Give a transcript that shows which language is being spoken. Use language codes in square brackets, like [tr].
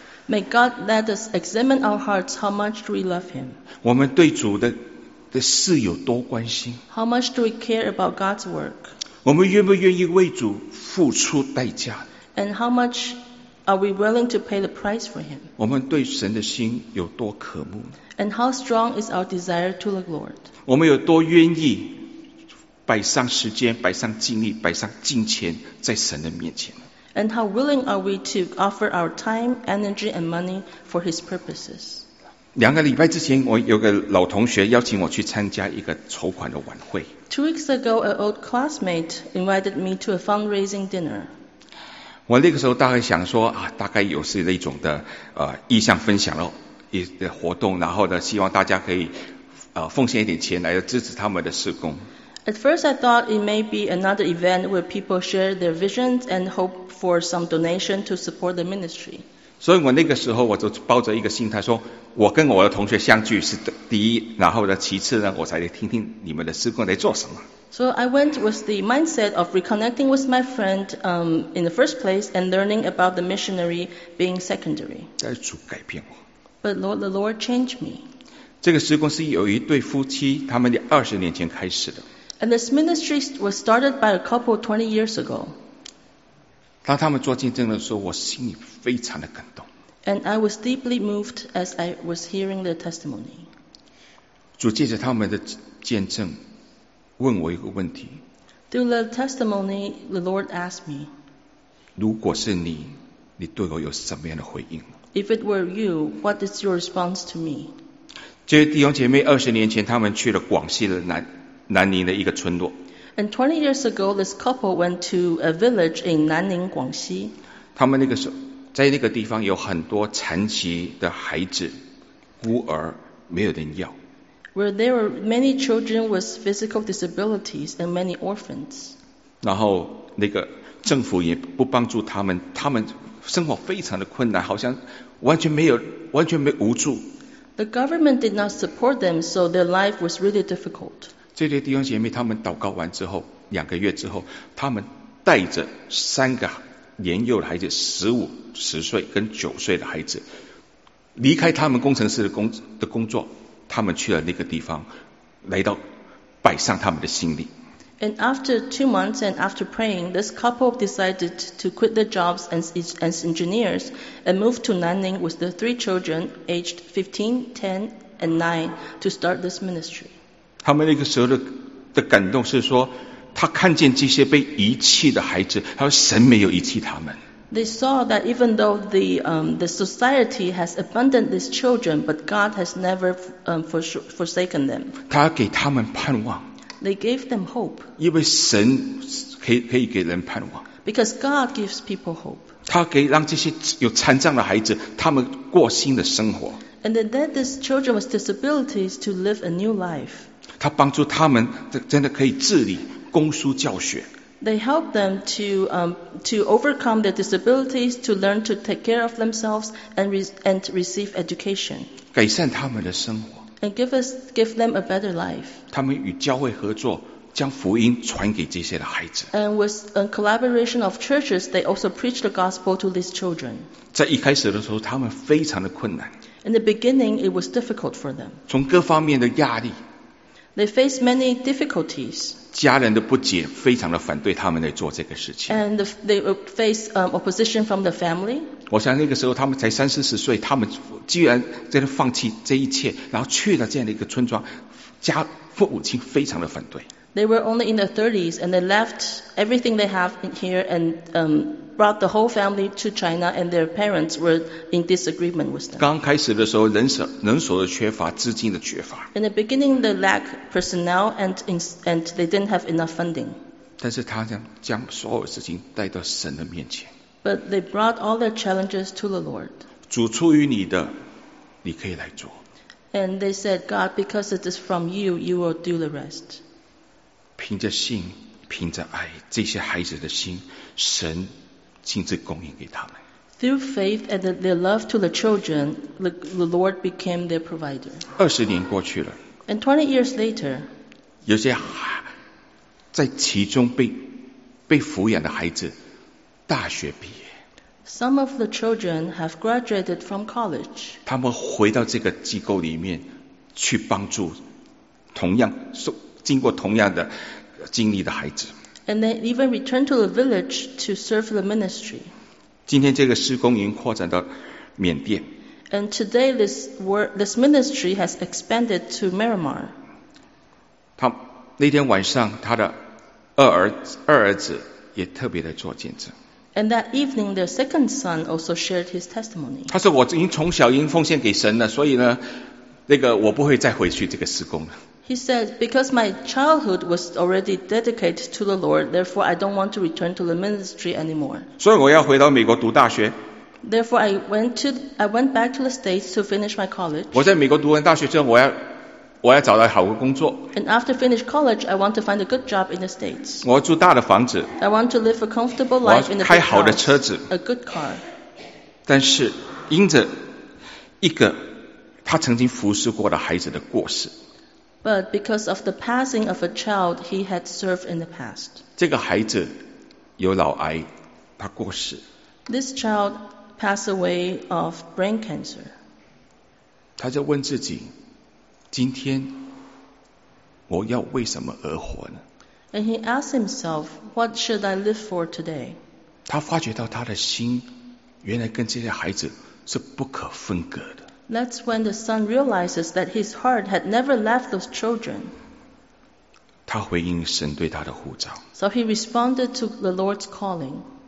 [en] May God let us examine our hearts how much we love Him. [zh] 我们对主的事有多关心。 [en] How much do we care about God's work? [zh] 我们愿不愿意为主付出代价？ [en] And how much are we willing to pay the price for Him? [zh] 我们对神的心有多渴慕？ [en] And how strong is our desire to the Lord? [zh] 我们有多愿意摆上时间、摆上精力、摆上金钱在神的面前？ [en] And how willing are we to offer our time, energy and money for His purposes? [zh] 两个礼拜之前，我有个老同学邀请我去参加一个筹款的晚会。 [en] Two weeks ago, an old classmate invited me to a fundraising dinner. [zh] 我那个时候大概想说啊，大概有是那种的意向分享喽，活动，然后呢，希望大家可以奉献一点钱来支持他们的事工。 [en] At first, I thought it may be another event where people share their visions and hope for some donation to support the ministry. [zh] 所以我那个时候我就抱着一个心态说。我跟我的同学相聚是第一，然后呢，其次呢，我才来听听你们的事工在做什么。 [en] So I went with the mindset of reconnecting with my friend in the first place and learning about the missionary being secondary. [zh] 但是主改变我。 [en] But Lord, the Lord changed me. [zh] 这个施工是有一对夫妻，他们的二十年前开始的。 [en] And this ministry was started by a couple 20 years ago. [zh] 当他们做见证的时候，我心里非常的感动。 [en] And I was deeply moved as I was hearing their testimony. [zh] 主借着他们的见证，问我一个问题。 [en] Through the testimony, the Lord asked me. [zh] 如果是你，你对我有什么样的回应？ [en] If it were you, what is your response to me? [zh] 这弟兄姐妹二十年前他们去了广西的 南宁的一个村落。 [en] And 20 years ago, this couple went to a village in 南宁广西。 [zh] 他们那个时候在那个地方有很多残疾的孩子孤儿没有人要。 [en] Where there were many children with physical disabilities and many orphans. [zh] 然后那个政府也不帮助他们，他们生活非常的困难，好像完全没有，完全没无助。 [en] The government did not support them, so their life was really difficult. [zh] 这些弟兄姐妹他们祷告完之后，两个月之后，他们带着三个年幼的孩子，15、10岁跟9岁的孩子，离开他们工程师的工作，他们去了那个地方，来到摆上他们的行李。 [en] And after 2 months and after praying, this couple decided to quit their jobs as engineers and move to Nanning with the 3 children, aged 15, 10, and 9, to start this ministry. [zh] 他们那个时候 的感动是说，他看见这些被遗弃的孩子，他说神没有遗弃他们。 [en] They saw that even though the society has abandoned these children, but God has never forsaken them. [zh] 他给他们盼望。 [en] They gave them hope. [zh] 因为神可以给人盼望。 [en] Because God gives people hope. [zh] 他可以让这些有残障的孩子，他们过新的生活。 [en] And they led these children with disabilities to live a new life. [zh] 他帮助他们真的可以自理、供书、教学。 [en] They helped them to overcome their disabilities, to learn to take care of themselves and receive education. [zh] 改善他们的生活。 [en] And give them a better life. [zh] 他们与教会合作，将福音传给这些的孩子。 [en] And with a collaboration of churches, they also preach the gospel to these children. [zh] 在一开始的时候，他们非常的困难。 [en] In the beginning, it was difficult for them. [zh] 从各方面的压力。 [en] They faced many difficulties. [zh] 家人的不解，非常的反对他们来做这个事情。 [en] And they faced opposition from the family. [zh] 我想那个时候他们才30-40岁，他们居然在那放弃这一切，然后去了这样的一个村庄，家父母亲非常的反对。 [en] They were only in their 30s and they left everything they have in here and brought the whole family to China and their parents were in disagreement with them. [zh] 刚开始的时候人手的缺乏，资金的缺乏。 [en] In the beginning they lack personnel and they didn't have enough funding. [zh] 但是他将所有事情带到神的面前。 [en] But they brought all their challenges to the Lord. [zh] 主出于你的，你可以来做。 [en] And they said, God, because it is from you, you will do the rest. [zh] 凭着信，凭着爱，这些孩子的心，神亲自供应给他们。 [en] Through faith and their love to the children, the Lord became their provider. [zh] 20年过去了。 [en] And 20 years later, [zh] 有些在其中被抚养的孩子。大学毕业。 [en] Some of the children have graduated from college. [zh] 他们回到这个机构里面去帮助同样经过同样的经历的孩子。 [en] And they even return to the village to serve the ministry. [zh] 今天这个施工营扩展到缅甸。 [en] And today this ministry has expanded to Myanmar. [zh] 他那天晚上他的二儿子也特别的做见证。 [en] And that evening, their second son also shared his testimony. [zh] 他说我已经从小已经奉献给神了，所以呢，那个我不会再回去这个事工了。 [en] He said, because my childhood was already dedicated to the Lord, therefore I don't want to return to the ministry anymore. [zh] 所以我要回到美国读大学。 [en] Therefore, I went back to the States to finish my college. [zh] 我在美国读完大学之后，我要找到好的工作。 [en] And after finish college, I want to find a good job in the States. [zh] 我要住大的房子。 [en] I want to live a comfortable life in a big house. [zh] 开好的车子。 [en] A good car. [zh] 但是因着一个他曾经服侍过的孩子的过世。 [en] But because of the passing of a child he had served in the past. [zh] 这个孩子有老癌，他过世。 [en] This child passed away of brain cancer. [zh] 他在问自己，今天我要为什么而活呢？ [en] And he asked himself, what should I live for today? [zh] 他发觉到他的心原来跟这些孩子是不可分割的。 [en] That's when the son realizes that his heart had never left those children. [zh] 他回应神对他的呼召。 [en] So he responded to the Lord's calling.